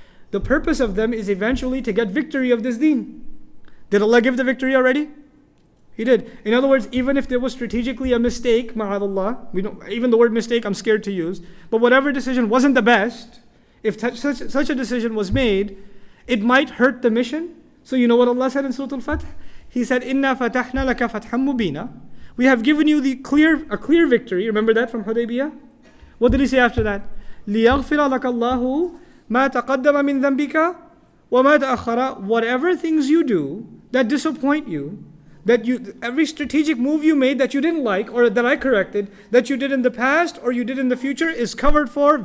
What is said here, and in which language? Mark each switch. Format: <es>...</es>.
<en>The purpose of them is eventually to get victory of this deen. Did Allah give the victory already? He did. In other words, even if there was strategically a mistake, ma'adallah, even the word mistake I'm scared to use, but whatever decision wasn't the best, if such a decision was made, it might hurt the mission. So you know what Allah said in Surah Al-Fath? He said,</en> <ar>إِنَّا فَتَحْنَا لَكَ فَتْحًا مُبِينًا.</ar> <en>We have given you a clear victory. Remember that from Hudaybiyah? What did he say after that?</en> <ar>لِيَغْفِرَ لَكَ اللَّهُ مَا تَقَدَّمَ مِنْ ذَنْبِكَ وَمَا تَأَخَّرَ.</ar> <en>Whatever things you do that disappoint you, every strategic move you made that you didn't like, or that I corrected, that you did in the past or you did in the future, is covered for.</en>